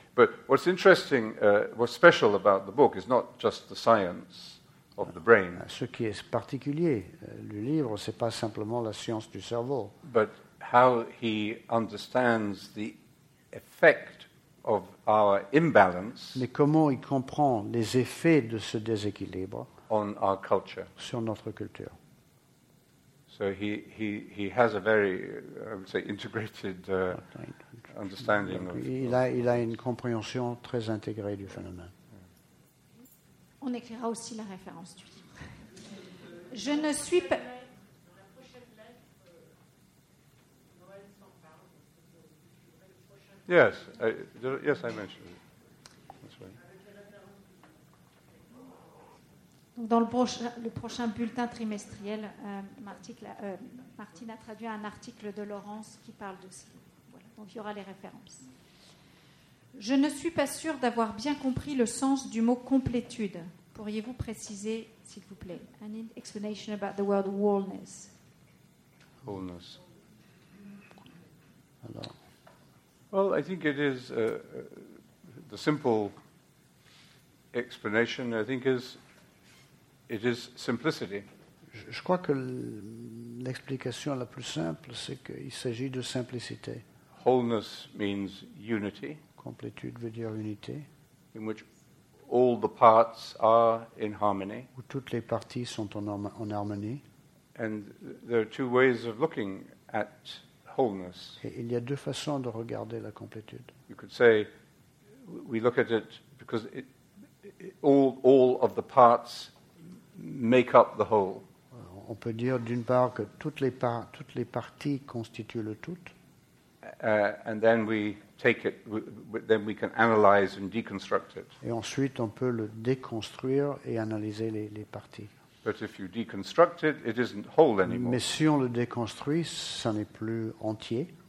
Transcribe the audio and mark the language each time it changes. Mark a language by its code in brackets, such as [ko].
[en] But what's interesting, what's special about the book is not just the science of the brain. [fr] Ce qui est particulier, le livre, c'est pas simplement la science du cerveau. [en] But how he understands the effect of our imbalance. [fr] Mais comment il comprend les effets de ce déséquilibre [en] on our culture. [fr] Sur notre culture. [en] So he has a very, I would say, integrated understanding. [fr] Il a une compréhension très intégrée du phénomène. On écrira aussi la référence du livre. Je ne suis pas. [en] Yes, I mentioned it. [fr] Dans le prochain bulletin trimestriel, Martine a traduit un article de Laurence qui parle de ce livre. Voilà, donc il y aura les références. Je ne suis pas sûre d'avoir bien compris le sens du mot complétude. Pourriez-vous préciser, s'il vous plaît? [en] An explanation about the word wholeness. Wholeness. [fr] Alors. [en] Well, I think it is the simple explanation, I think, is. It is simplicity. [fr] Je crois que l'explication la plus simple, c'est qu'il s'agit de simplicité. [en] Wholeness means unity. [fr] Complétude veut dire unité. [en] In which all the parts are in harmony. [fr] Où toutes les parties sont en harmonie. [en] And there are two ways of looking at wholeness. [fr] Et il y a deux façons de regarder la complétude. [en] You could say we look at it because all of the parts make up the whole. [fr] On peut dire d'une part que toutes les parties constituent le tout. [en] And then we take it, then we can analyze and deconstruct it. [fr] Et ensuite on peut le déconstruire et analyser les parties. [en] But if you deconstruct it, it isn't whole anymore. [fr] Mais si on le déconstruit, ça n'est plus entier.